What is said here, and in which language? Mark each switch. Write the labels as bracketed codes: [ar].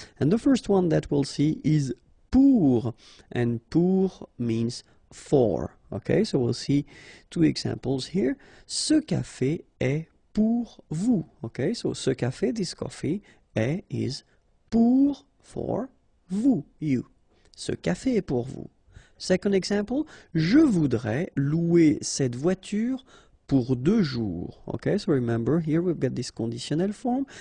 [en] And the first one that we'll see is pour, and pour means for. Okay, so we'll see two examples here. [fr] Ce café est pour vous. [en] Okay, so [fr] ce café, [en] this coffee, est, is pour, for, vous, you. [fr] Ce café est pour vous. [en] Second example, [fr] je voudrais louer cette voiture pour deux jours. [en] Okay, so remember, here we've got this conditional form.